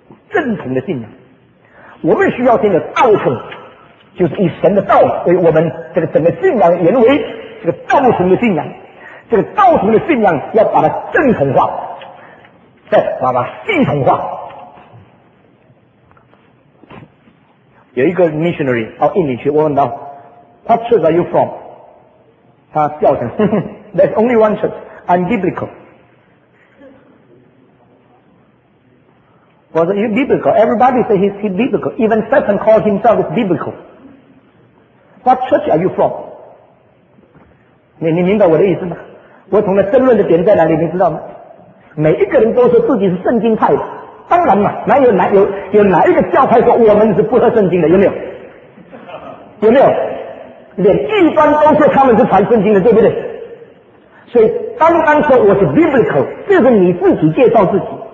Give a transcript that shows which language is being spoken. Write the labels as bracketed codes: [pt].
[zh] 正统的信仰，我们需要这个道统，就是以神的道为我们这个整个信仰原为这个道统的信仰。这个道统的信仰要把它正统化，再把它系统化。有一个 missionary 到印尼去，我问到 [en] What church are you from？ [zh] 他笑着 [en] There's only one church， I'm biblical。 Was he biblical? Everybody says he's biblical. Even Satan calls himself biblical. What church are you from? [zh] 你明白我的意思吗？我从那争论的点在哪里，你知道吗？每一个人都说自己是圣经派的，当然嘛，哪有哪一个教派说我们是不合圣经的？有没有？有没有？连异端都说他们是反圣经的，对不对？所以单单说我是 biblical， 这是你自己介绍自己。